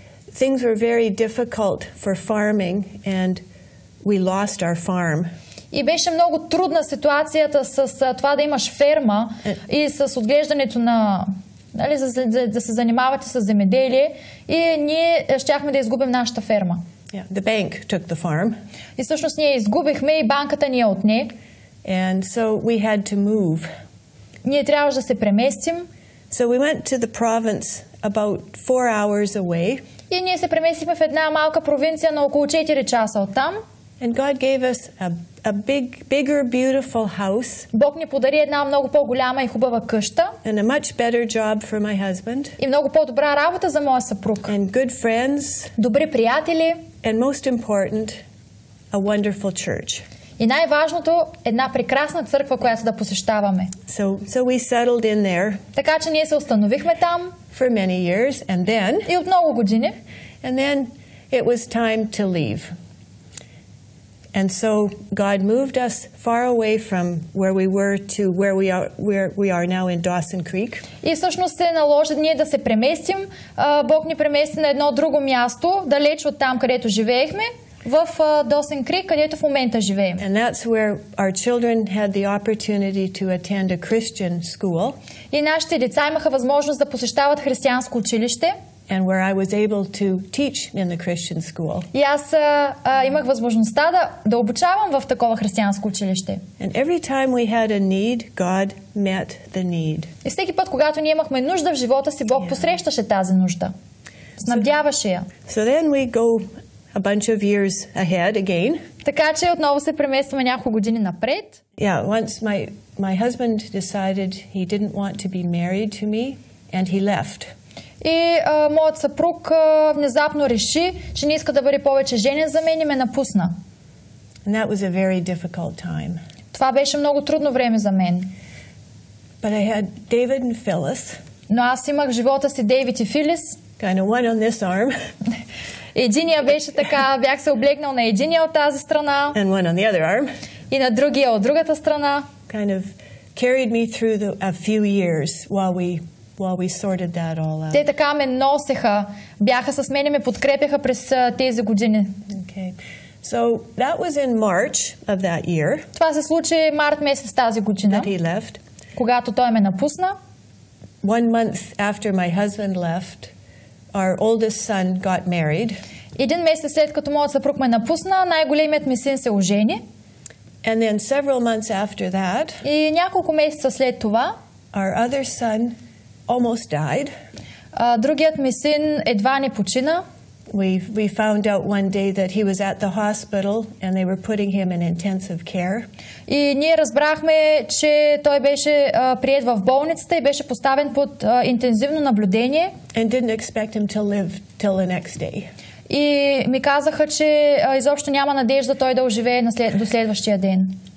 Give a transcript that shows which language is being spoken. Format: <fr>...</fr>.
<en>Things were very difficult for farming and we lost our farm.</en> <bg>И беше много трудна ситуацията с това да имаш ферма и с отглеждането на нали, да се занимавате с земеделие и ние щяхме да изгубим нашата ферма.</bg> <en>Yeah, the bank took the farm.</en> <bg>И всъщност ние изгубихме и банката ни е отне.</bg> <en>And so we had to move.</en> <bg>Ние трябваше да се преместим.</bg> <en>So we went to the province about 4 hours away.</en> <bg>И ние се преместихме в една малка провинция на около 4 часа оттам.</bg> <en>And God gave us a big, bigger, beautiful house.</en> <bg>Бог ни подари една много по-голяма и хубава къща.</bg> <en>And a much better job for my husband.</en> <bg>И много по-добра работа за моя съпруг.</bg> <en>And good friends.</en> <bg>Добри приятели.</bg> <en>And most important, a wonderful church.</en> <bg>И най-важното, една прекрасна църква, която да посещаваме.</bg> <en>So we settled in there.</en> <bg>Така че ние се установихме там.</bg> <en>For many years, and then.</en> <bg>И от много години.</bg> <en>And then it was time to leave. And so God moved us far away from where we were to where we are now in Dawson Creek.</en> <bg>И всъщност се наложи ние да се преместим. Бог ни премести на едно друго място, далеч от там, където живеехме. В Dawson Creek, където в момента живеем.</bg> <en>And that's where our children had the opportunity to attend a Christian school.</en> <bg>И нашите деца имаха възможност да посещават християнско училище.</bg> <en>And where I was able to teach in the Christian school.</en> <bg>И аз имах възможността да обучавам в такова християнско училище.</bg> <en>And every time we had a need, God met the need.</en> <bg>И всеки път, когато ние имахме нужда в живота си, Бог посрещаше тази нужда. Снабдяваше я.</bg> <en>So then we go a bunch of years ahead again.</en> <bg>Така че отново се преместваме няколко години напред.</bg> <en>Yeah, once my husband decided he didn't want to be married to me and he left.</en> <bg>И моят съпруг внезапно реши, че не иска да бъде повече женен за мен и ме напусна.</bg> <en>And that was a very difficult time.</en> <bg>Това беше много трудно време за мен.</bg> <en>But I had David and Phyllis.</en> <bg>Но аз имах в живота си Дейвид и Филис.</bg> <en>Kind of one on this arm.</en> <bg>Единия беше така, бях се облегнал на единия от тази страна.</bg> <en>And one on the other arm.</en> <bg>И на другия от другата страна.</bg> <en>Kind of carried me through a few years while we sorted that all out.</en> <bg>Те така ме носеха, бяха с мен и ме подкрепяха през тези години.</bg> <en>Okay. So that was in March of that year.</en> <bg>Това се случи март месец тази година.</bg> <en>That he left.</en> <bg>Когато той ме напусна.</bg> <en>One month after my husband left. Our oldest son got married.</en> <bg>Един месец след като моят съпруг ме напусна, най-големият ми син се ожени.</bg> <en>And then several months after that.</en> <bg>И няколко месеца след това.</bg> <en>Our other son almost died.</en> <bg>Другият ми син едва не почина.</bg> <en>We found out one day that he was at the hospital and they were putting him in intensive care.</en> <bg>И ние разбрахме, че той беше приет в болницата и беше поставен под интензивно наблюдение.</bg> <en>And didn't expect him to live till the next day.</en> <bg>И ми казаха, че изобщо няма надежда той да оживее до следващия ден.</bg>